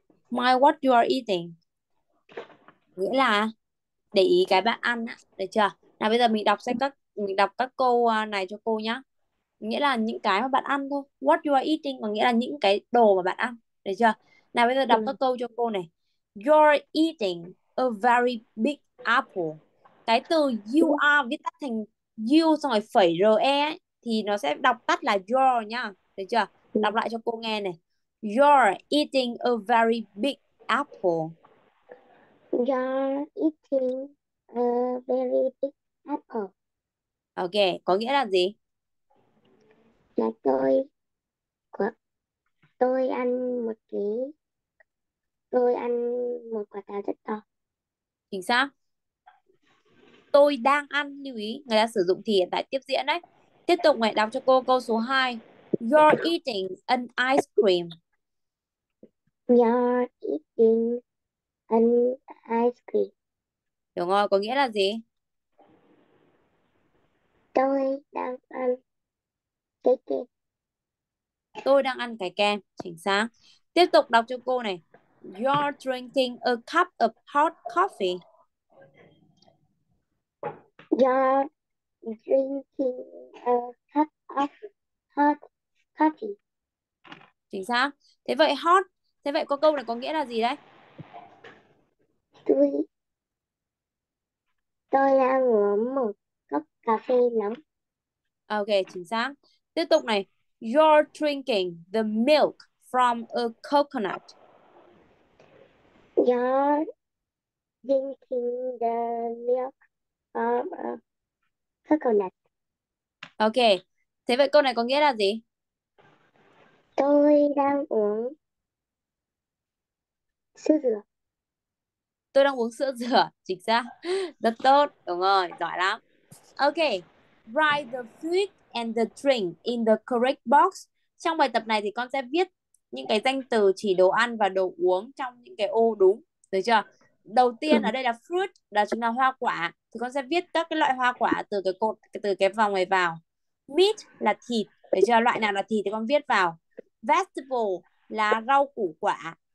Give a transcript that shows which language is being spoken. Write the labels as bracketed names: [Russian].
[English] My what you are eating [Vietnamese] nghĩa là để ý cái bạn ăn á, được chưa? Nào bây giờ mình đọc các câu này cho cô nhá. Nghĩa là những cái mà bạn ăn thôi. [English] What you are eating [Vietnamese] có nghĩa là những cái đồ mà bạn ăn, được chưa? Nào bây giờ đọc các câu cho cô này. [English] You're eating a very big apple. [Vietnamese] Cái từ you are viết tắt thành you xong rồi phẩy re ấy, thì nó sẽ đọc tắt là your nhá, được chưa? Đọc lại cho cô nghe này. [English] You're eating a very big apple. Eating a very big apple. [Vietnamese] Ok, có nghĩa là gì? Là tôi ăn một ký. Tôi ăn một quả táo rất to. Chính xác. Tôi đang ăn, lưu ý, người ta sử dụng thì hiện tại tiếp diễn đấy. Tiếp tục này, đọc cho cô câu số 2. [English] You're eating an ice cream. You're eating an ice cream. [Vietnamese] Đúng rồi, có nghĩa là gì? Tôi đang ăn cái kem. Tôi đang ăn cái kem, chính xác. Tiếp tục đọc cho cô này. [English] You're drinking a cup of hot coffee. You're drinking a cup of hot coffee. [Vietnamese] Chính xác. Thế vậy hot, thế vậy có câu này có nghĩa là gì đấy? Tôi đang uống một cốc cà phê nóng. Ok, chính xác. Tiếp tục này. [English] You're drinking the milk from a coconut. You're drinking the milk from a coconut. [Vietnamese] Ok, thế vậy câu này có nghĩa là gì? Tôi đang uống sữa dừa. Tôi đang uống sữa dừa, chính xác. Rất tốt, đúng rồi, giỏi lắm. [English] Ok, write the food and the drink in the correct box. [Vietnamese] Trong bài tập này thì con sẽ viết những cái danh từ chỉ đồ ăn và đồ uống trong những cái ô đúng, được chưa? Đầu tiên ở đây là fruit, là chúng là hoa quả. Thì con sẽ viết các cái loại hoa quả từ cái cột, từ cái vòng này vào. Meat là thịt, được chưa? Loại nào là thịt thì con viết vào. Vegetable là rau củ quả.